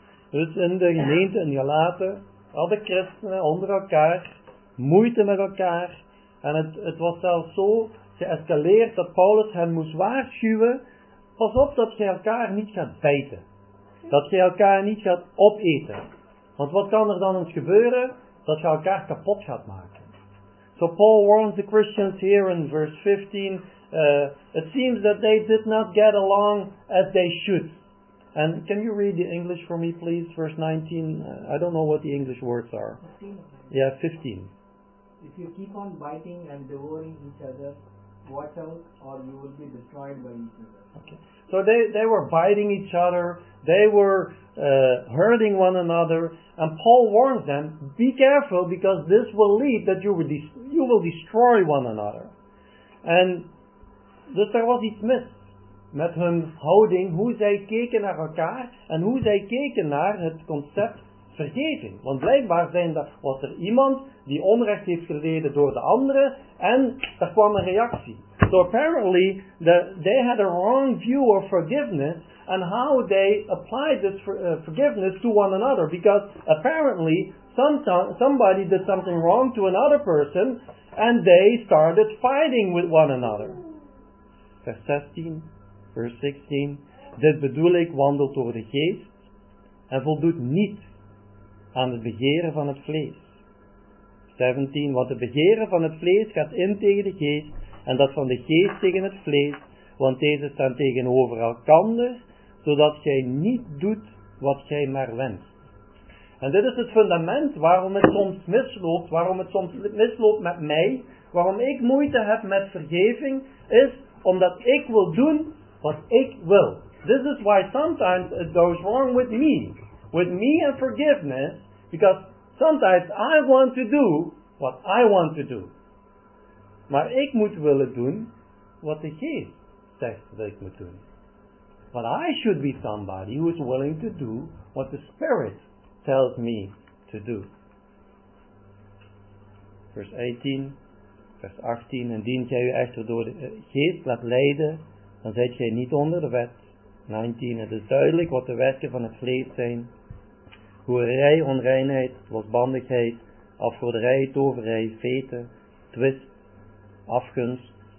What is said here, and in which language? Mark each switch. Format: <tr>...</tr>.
<nl>Dus in de gemeente in Galaten hadden christenen onder elkaar moeite met elkaar. En het was zelfs zo geëscaleerd dat Paulus hen moest waarschuwen, pas op dat gij elkaar niet gaat bijten. Dat gij elkaar niet gaat opeten. Want wat kan er dan eens gebeuren? Dat gij elkaar kapot gaat maken.</nl> <en>So Paul warns the Christians here in verse 15, it seems that they did not get along as they should. And can you read the English for me please, verse 19? I don't know what the English words are. 15. Yeah, 15. If you keep on biting and devouring each other, watch out or you will be destroyed by each other. Okay. So they were biting each other, they were hurting one another, and Paul warns them, be careful because this will lead that you will destroy one another. And</en> <nl>dus er was iets mis met hun houding, hoe zij keken naar elkaar en hoe zij keken naar het concept vergeving. Want blijkbaar was er iemand die onrecht heeft geleden door de anderen, en daar kwam een reactie.</nl> <en>So apparently, they had a wrong view of forgiveness, and how they applied this forgiveness to one another, because apparently, somebody did something wrong to another person, and they started fighting with one another.</en> <nl>Vers 16, vers 16, dit bedoel ik, wandelt door de geest, en voldoet niet aan het begeren van het vlees. 17, want het begeren van het vlees gaat in tegen de geest, en dat van de geest tegen het vlees, want deze staan tegenover elkander, zodat gij niet doet wat gij maar wenst. En dit is het fundament waarom het soms misloopt, waarom het soms misloopt met mij, waarom ik moeite heb met vergeving, is omdat ik wil doen wat ik wil.</nl> <en>This is why sometimes it goes wrong with me and forgiveness, because sometimes I want to do what I want to do.</en> <nl>Maar ik moet willen doen wat de geest zegt dat ik moet doen.</nl> <en>But I should be somebody who is willing to do what the Spirit tells me to do.</en> <nl>Vers 18. Indien jij je echter door de geest laat leiden, dan zit jij niet onder de wet. 19. Het is duidelijk wat de werken van het vlees zijn. Hoererij, onreinheid, losbandigheid, afgoderij, toverij, veten, twist, afgunst,</nl>